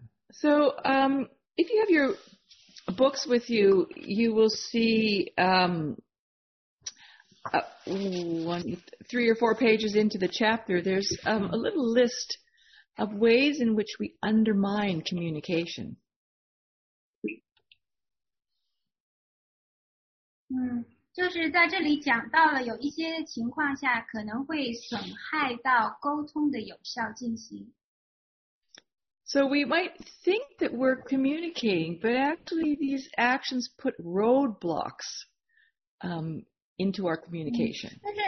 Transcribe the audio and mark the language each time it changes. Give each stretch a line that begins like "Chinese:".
English: So if you have your books with you, you will see three or four pages into the chapter, there's a little list of ways in which we undermine communication.
Chinese: 就是在这里讲到了有一些情况下可能会损害到沟通的有效进行。
English: So we might think that we're communicating, but actually these actions put roadblocks into our communication.